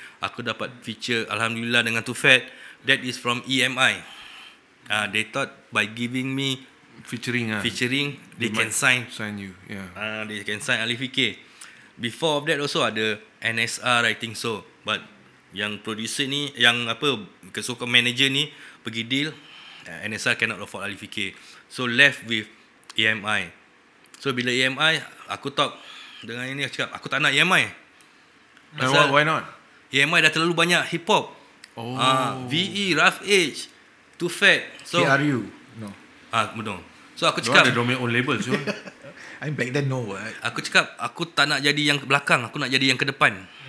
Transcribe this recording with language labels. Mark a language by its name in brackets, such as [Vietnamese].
[Malay] Aku dapat feature alhamdulillah dengan Too Fat. [English] That is from EMI. They thought by giving me featuring, they can sign. Sign you, yeah. They can sign Ali Fikir. Before of that also [Malay] ada [English] NSR, I think so. [Malay] But yang producer ni, yang apa, kesukaan manager ni, pergi deal, [English] NSR cannot afford Ali Fikir. So left with EMI. [Malay] So bila EMI, aku talk dengan ini, aku cakap, aku tak nak EMI. [English] Why not? [Malay] EMI dah terlalu banyak hip hop. [English] Oh. VE, Rough Edge, Too Fat. So, KRU. No. So [Malay] aku cakap, [English] they don't make own labels. So I'm back then, no word. [Malay] Aku cakap, aku tak nak jadi yang belakang, aku nak jadi yang ke depan.